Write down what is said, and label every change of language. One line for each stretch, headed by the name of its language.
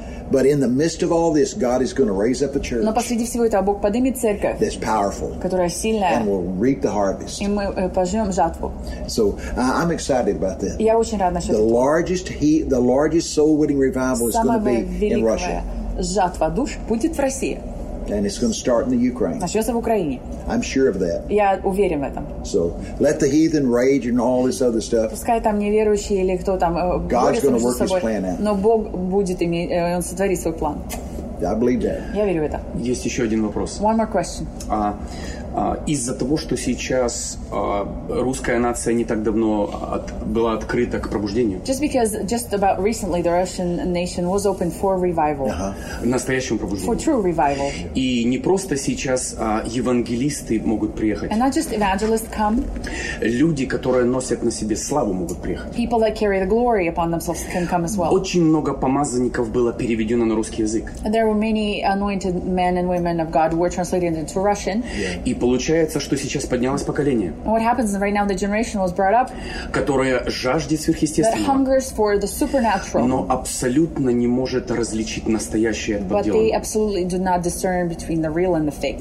English: But in the midst of all this, God is going to raise up a church.
Russian: Но посреди всего этого Бог поднимет церковь.
English: That's powerful.
Russian: Которая сильная.
English: And will reap the harvest.
Russian: И мы пожнем жатву.
English: So I'm excited about that.
Russian: Я очень рад насчет этого.
English: The largest soul-winning revival is going to be in Russia.
Russian: Жатва душ будет в России.
English: And it's going to start in the Ukraine.
Russian: Начнется в Украине.
English: I'm sure of that.
Russian: Я уверен в этом.
English: So let the heathen rage and all this other stuff.
Russian: Пускай там неверующие или кто там борется между собой.
English: God's going to work His plan out.
Russian: Но Бог будет иметь, Он сотворит свой план.
English: I believe that.
Russian: Я верю в это. Есть еще один вопрос.
English: One more question.
Russian: Из-за того, что сейчас русская нация не так давно была открыта к пробуждению.
English: Just because just about recently the Russian nation was open for revival. Uh-huh.
Russian: Настоящему пробуждению.
English: For true revival.
Russian: И не просто сейчас евангелисты могут приехать.
English: And not just evangelists come.
Russian: Люди, которые носят на себе славу, могут приехать.
English: People that carry the glory upon themselves can come as well.
Russian: Очень много помазанников было переведено на русский язык.
English: There were many anointed men and women of God were translated into Russian. Yeah.
Russian: И получается, что сейчас поднялось поколение,
English: what happens right now, the generation was brought up,
Russian: которое жаждет сверхъестественного,
English: that hungers for the supernatural,
Russian: но абсолютно не может различить настоящее от подделанного.
English: But they absolutely do not discern between the real and the fake.